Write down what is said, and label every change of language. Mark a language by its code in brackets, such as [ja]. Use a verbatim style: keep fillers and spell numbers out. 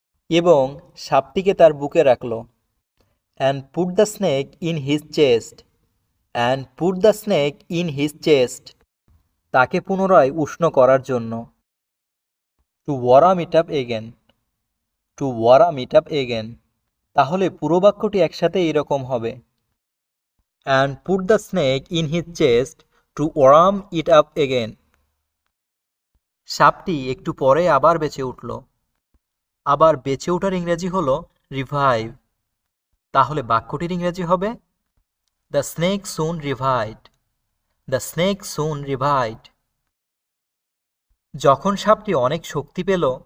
[bn] এবং সাপটিকে তার বুকে রাখল। [en] And put the snake in his chest. And put the snake in his chest [bn] তাকে পুনরায় উষ্ণ করার জন্য। [en] To warm it up again. To warm it up again [bn] তাহলে পুরো বাক্যটি একসাথে এরকম হবে। [en] And put the snake in his chest to warm it up again. [bn] সাপটি একটু পরে আবার বেঁচে উঠল। আবার বেঁচে ওঠার ইংরেজি হলো রিভাইভ, তাহলে বাক্যটির ইংরেজি হবে [en] The snake soon revived. The snake soon revived [bn] যখন সাপটি অনেক শক্তি পেল।